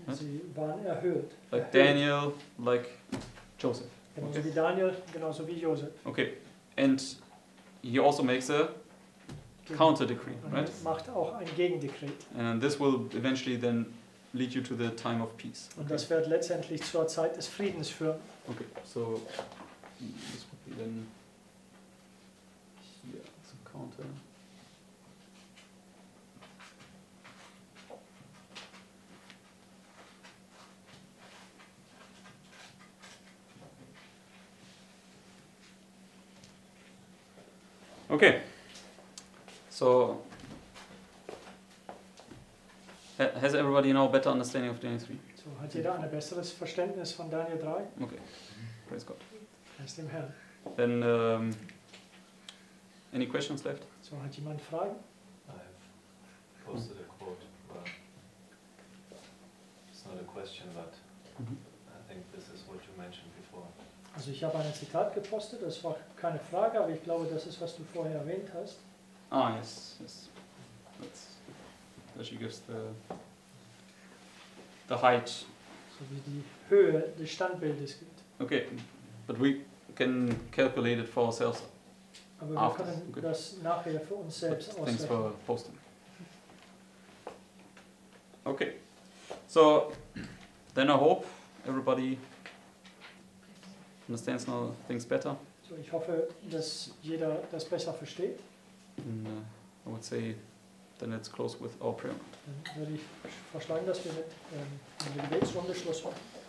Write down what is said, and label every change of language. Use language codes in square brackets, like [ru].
[de] Sie waren erhöht. [en] Like Daniel, like Joseph. [de] Genauso wie Daniel, genauso wie Joseph. [en] Okay, and he also makes a counter-decree, right? [de] Macht auch ein Gegendekret. [en] And this will eventually then lead you to the time of peace. [de] Und das wird letztendlich zur Zeit des Friedens führen. [en] Okay, so this would be then here as a counter. Okay. So, has everybody now a better understanding of Daniel 3? [de] So, hat jeder ein besseres Verständnis von Daniel 3? [en] Okay, praise God. [de] Praise dem Herrn. [en] Then, any questions left? [de] So, hat jemand Fragen? [en] I have posted a quote, but it's not a question, but I think this is what you mentioned before. [de] Also, ich habe ein Zitat gepostet, das war keine Frage, aber ich glaube, das ist, was du vorher erwähnt hast. [en] Ah, yes, yes. That she gives the height. [de] So wie die Höhe des Standbildes gibt. [en] Okay, but we can calculate it for ourselves. [de] Aber wir können das nachher für uns selbst ausrechnen. [en] Thanks for posting. Okay, so then I hope everybody understands now things better. [de] So ich hoffe, dass jeder das besser versteht. [en] And, I would say, then let's close with our prayer. [de] Dann würde ich vorschlagen, dass wir mit dem Gebetsrunde Schluss machen.